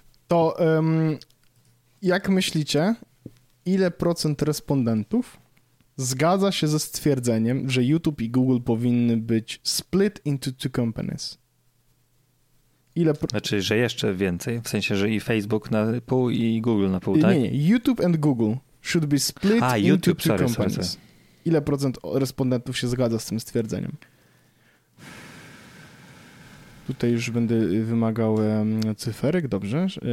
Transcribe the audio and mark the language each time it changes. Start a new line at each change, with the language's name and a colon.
Polish: To jak myślicie, ile procent respondentów zgadza się ze stwierdzeniem, że YouTube i Google powinny być
English: split into two companies?
Polish: Znaczy, że jeszcze więcej, w sensie, że i Facebook na pół i Google na pół, tak? Nie,
English: YouTube and Google should be split into two companies. Sorry.
Polish: Ile procent respondentów się zgadza z tym stwierdzeniem? Tutaj już będę wymagał cyferek, dobrze?